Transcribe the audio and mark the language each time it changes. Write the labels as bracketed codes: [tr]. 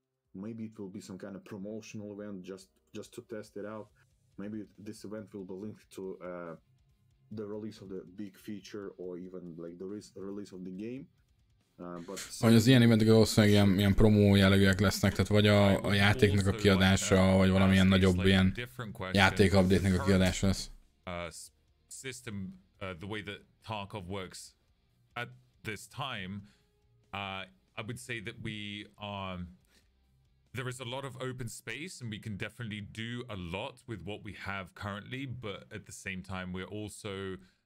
[en] Maybe it will be some kind of promotional event just to test it out. Maybe this event will be linked to the release of the big feature or even like the release of the game. [hu] Hogy az ilyen eventek valószínűleg ilyen promó jellegűek lesznek, tehát vagy a játéknak a kiadása, vagy valamilyen nagyobb ilyen játék update-nek a kiadása lesz. [en] System, the way that Tarkov works at this time, I would say that we are... There is a lot of open space and we can definitely do a lot with what we have currently, but at the same time we're also